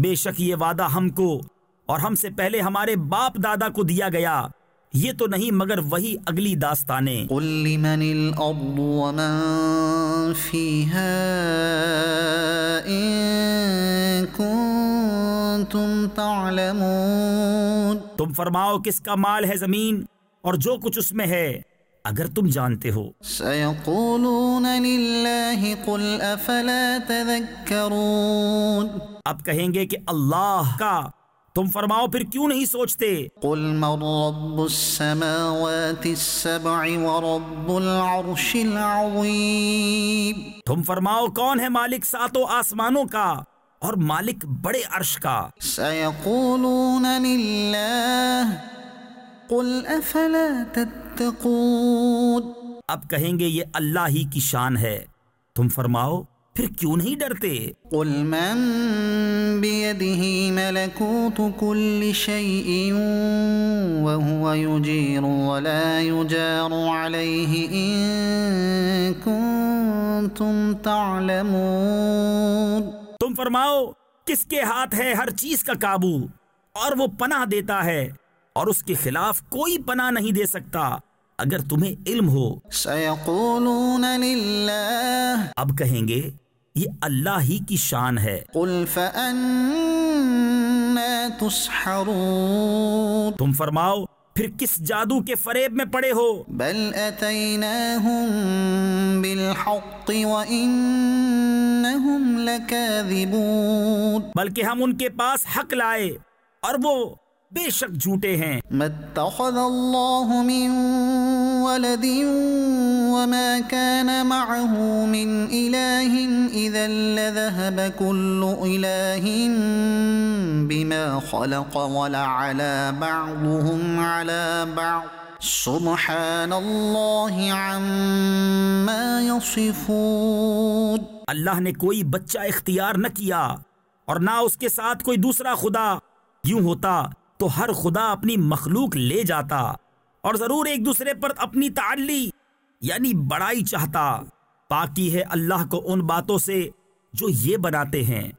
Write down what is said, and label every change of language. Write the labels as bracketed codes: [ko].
[ur] بے شک یہ وعدہ ہم کو اور ہم سے پہلے ہمارے باپ دادا کو دیا گیا, یہ تو نہیں مگر وہی اگلی داستانیں. [ar] قل لمن الارض ومن فيها ان كنتم تعلمون. [ur] تم فرماؤ کس کا مال ہے زمین اور جو کچھ اس میں ہے اگر تم جانتے ہو. [ar] سيقولون لله قل افلا تذكرون. [ur] اب کہیں گے کہ اللہ کا, تم فرماؤ پھر کیوں نہیں سوچتے. [ar] قل من رب السماوات السبع ورب العرش العظيم. [ur] تم فرماؤ کون ہے مالک ساتوں آسمانوں کا اور مالک بڑے عرش کا. [ar] سيقولون لله قل افلا تتقون. [ur] اب کہیں گے یہ اللہ ہی کی شان ہے, تم فرماؤ پھر کیوں نہیں ڈرتے. [ar] قل من بيده ملكوت كل شيء وهو يجير ولا يجار عليه ان كنتم تعلمون. [ur] تم فرماؤ کس کے ہاتھ ہے ہر چیز کا قابو اور وہ پناہ دیتا ہے اور اس کے خلاف کوئی پناہ نہیں دے سکتا اگر تمہیں علم ہو. [ar] سيقولون لله. [ur] اب کہیں گے یہ اللہ ہی کی شان ہے. [ar] قل فأنا تسحرون. [ur] تم فرماؤ پھر کس جادو کے فریب میں پڑے ہو. [ar] بل اتیناہم بالحق وإنہم لکاذبون. [ur] بلکہ ہم ان کے پاس حق لائے اور وہ بے شک جھوٹے ہیں. [ar] ما اتخذ اللہ من ولد وما كان معه من الہ اذا لذهب كل الہ بما خلق ولعلا بعضهم على بعض سبحان اللہ عما يصفون. [ur] اللہ نے کوئی بچہ اختیار نہ کیا اور نہ اس کے ساتھ کوئی دوسرا خدا, یوں ہوتا تو ہر خدا اپنی مخلوق لے جاتا اور ضرور ایک دوسرے پر اپنی تعلی یعنی بڑائی چاہتا, پاکی ہے اللہ کو ان باتوں سے جو یہ بناتے ہیں.